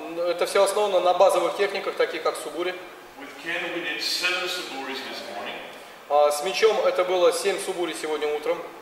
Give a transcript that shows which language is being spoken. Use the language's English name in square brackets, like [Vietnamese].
[Russian] Это все основано на базовых техниках, таких как Сугури. [English] With Ken we did 7 Suguris this morning. [Russian] С мечом это было 7 Сугури сегодня утром.